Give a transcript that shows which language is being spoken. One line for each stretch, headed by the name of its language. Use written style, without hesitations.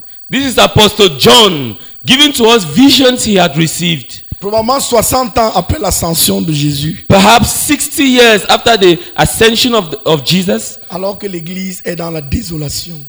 English: This is Apostle John giving to us visions he had received.
French: Probablement 60 ans après l'ascension de Jésus.
English: Perhaps 60 years after the ascension of Jesus.
French: Alors que l'église est dans la désolation.